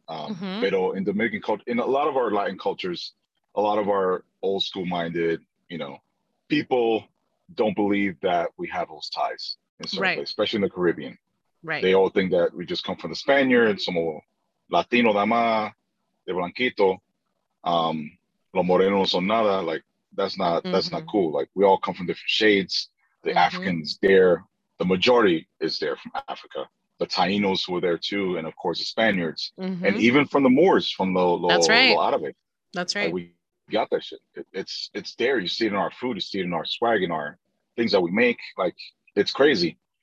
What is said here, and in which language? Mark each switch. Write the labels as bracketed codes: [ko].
[en] But in Dominican culture, in a lot of our Latin cultures, a lot of our old school minded, you know, people don't believe that we have those ties in certain places, especially in the Caribbean. Right. They all think that we just come from the Spaniards, some old Latino dama. [es] De blanquito, los morenos son nada. [en] Like that's not cool. Like we all come from different shades. The Africans there, the majority is there from Africa. The Taínos were there too, and of course the Spaniards, and even from the Moors, from the out of it. That's right. Like, we got that shit. It's there. You see it in our food. You see it in our swag, in our things that we make. Like it's crazy.